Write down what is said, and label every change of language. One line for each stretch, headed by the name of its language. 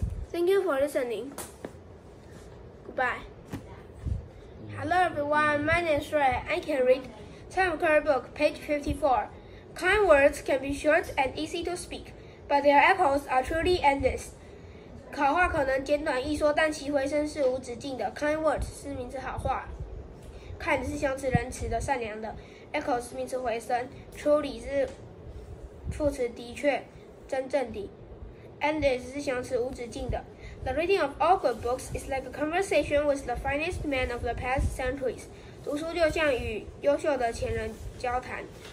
English: Thank you for listening. Goodbye. Hello everyone, my name is Ray. I can read Time Curry Book, page 54. Kind words can be short and easy to speak, but their echoes are truly endless.
Chinese: 好话可能简短易说，但其回声是无止境的。 Kind words 是名词好话 ，kind 是形容词仁慈的、善良的 ，echo 是名词回声 ，truly 是副词的确、真正的 ，endless 是形容词无止境的。
English: The reading of all good books is like a conversation with the finest man of the past centuries。
Chinese: 读书就像与优秀的前人交谈。